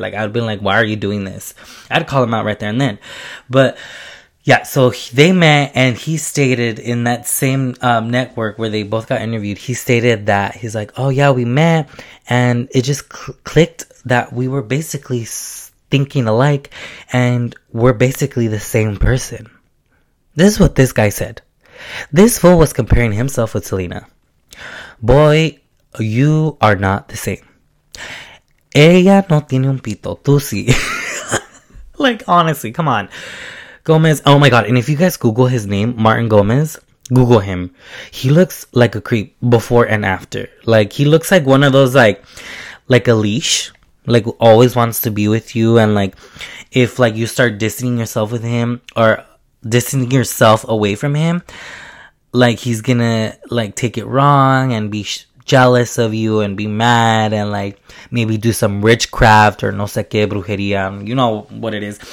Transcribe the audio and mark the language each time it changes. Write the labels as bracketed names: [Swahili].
[English] Like I'd been like, why are you doing this? I'd call him out right there and then. But yeah, so they met and he stated in that same network where they both got interviewed, he stated that he's like, oh yeah, we met and it just clicked that we were basically thinking alike and we're basically the same person. This is what this guy said. This fool was comparing himself with Selena. Boy, you are not the same. [Spanish] Ella no tiene un pito, tú sí. [English] Like, honestly, come on. Gomez, oh my God, and if you guys Google his name, Martin Gomez, Google him. He looks like a creep before and after. Like, he looks like one of those, like a leash, like, always wants to be with you, and, like, if, like, you start distancing yourself with him, or distancing yourself away from him, like, he's gonna, like, take it wrong, and be jealous of you, and be mad, and, like, maybe do some witchcraft, or [Spanish] no sé qué, brujería, [English] you know what it is.